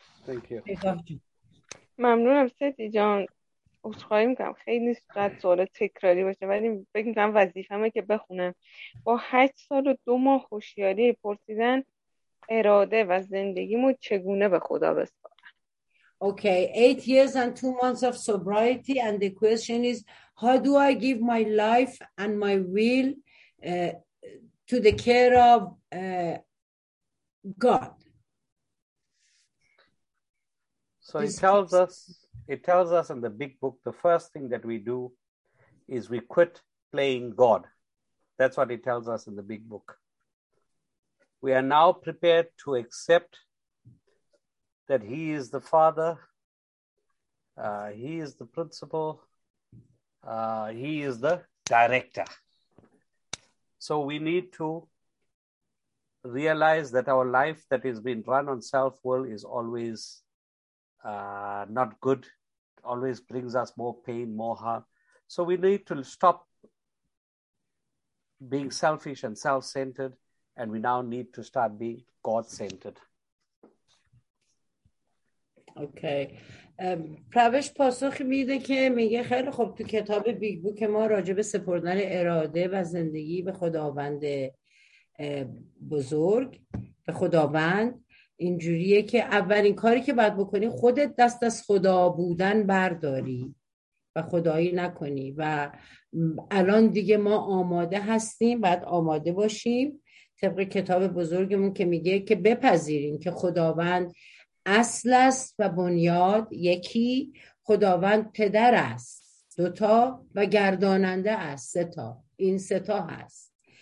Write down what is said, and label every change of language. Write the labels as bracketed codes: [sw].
[en] Thank you. [fa] ممنونم ستی جان. عذرخواهی میکنم خیلی نیست سوال تکراری باشه، ولی فکر میکنم وظیفه‌مه که بخونم. با 8 سال و 2 ماه هوشیاری پرسیدن اراده و زندگیمو چگونه به خدا بسپارم. [en] Okay, 8 years and 2 months of sobriety, and the question is, how do I give my life and my will to the care of God? So it tells us in the big book, the first thing that we do is we quit playing God. That's what it tells us in the big book. We are now prepared to accept that he is the father, he is the principal, he is the director. So we need to realize that our life that has been run on self-will is always not good, always brings us more pain, more harm. So we need to stop being selfish and self-centered, and we now need to start being God-centered. [fa] اوکی. پروش پاسخ میده که میگه خیلی خب تو کتاب بیگ بوک ما راجع به سپردن اراده و زندگی به خداوند بزرگ، به خداوند، اینجوریه که اولین کاری که باید بکنی خودت دست از خدا بودن برداری و خدایی نکنی، و الان دیگه ما آماده هستیم، باید آماده باشیم طبق کتاب بزرگمون که میگه که بپذیرین که خداوند اصل است و بنیاد، یکی خداوند پدر است، دوتا و گرداننده است، سه‌تا، این سه‌تا هست.